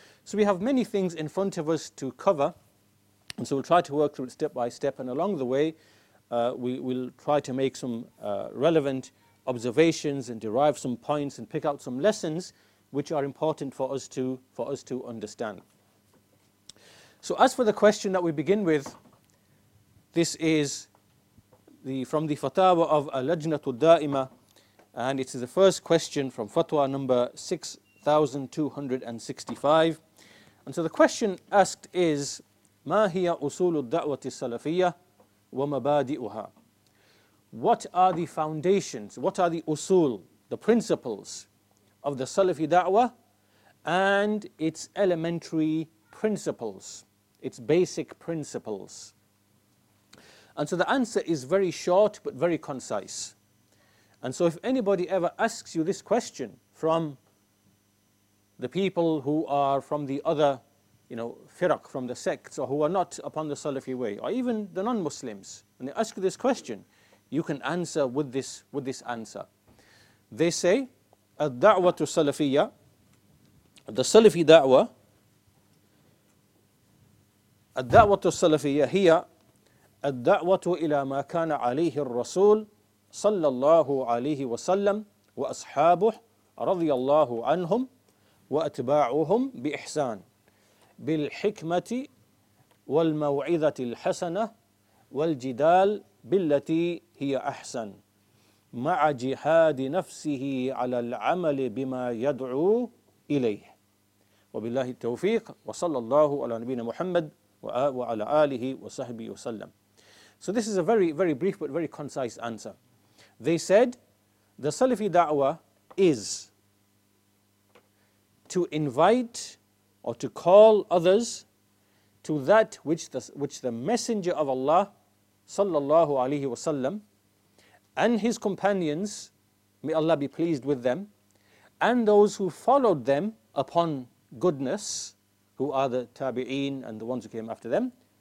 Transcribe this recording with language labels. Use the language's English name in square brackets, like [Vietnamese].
[English] So we have many things in front of us to cover, and so we'll try to work through it step by step, and along the way, we'll try to make some relevant observations and derive some points and pick out some lessons which are important for us to understand. So as for the question that we begin with, this is from the fatawa of Al-Lajnatul Da'imah, and it is the first question from fatwa number 6265. And so the question asked is, [Arabic] ما هي أصول الدعوة السلفية ومبادئها? [English] What are the foundations, what are the usul, the principles of the Salafi da'wah, and its elementary principles, its basic principles. And so the answer is very short but very concise. And so if anybody ever asks you this question from the people who are from the other, you know, firaq, from the sects, or who are not upon the Salafi way, or even the non-Muslims, and they ask you this question, you can answer with this, answer. They say, [Arabic] الدعوة السلفية, [English] the Salafi da'wah, [Arabic] الدعوة السلفية هي الدعوة إلى ما كان عليه الرسول صلى الله عليه وسلم وأصحابه رضي الله عنهم وأتباعهم بإحسان بالحكمة والموعظة الحسنة والجدال بالتي هي أحسن مع جهاد نفسه على العمل بما يدعو إليه وبالله التوفيق وصلى الله على نبينا محمد وعلى آله وصحبه وسلم. [English] So this is a very, very brief but very concise answer. They said the Salafi da'wah is to invite or to call others to that which the Messenger of Allah sallallahu alayhi wa sallam and his companions, may Allah be pleased with them, and those who followed them upon goodness, who are the tabi'een and the ones who came after them,